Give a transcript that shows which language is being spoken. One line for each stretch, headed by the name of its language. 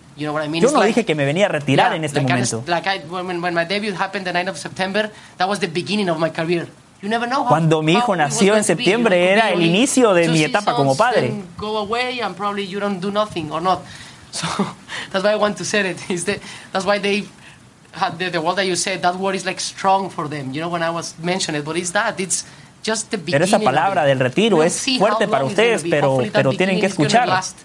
Spanish: Yo no dije que me venía a retirar en este momento.
English: When my debut happened the 9th of September, that was the beginning of my career. You never know
Spanish: cuando mi hijo nació en septiembre, era el inicio de mi etapa como padre.
English: Go away and probably you don't do nothing or not. So that's why I want to say it. That's why they had the word that you said. That word is like strong for them. You know when I was mentioning it, but it's that. It's just the beginning.
Spanish: Pero esa palabra del retiro es fuerte para ustedes, pero tienen que escucharla.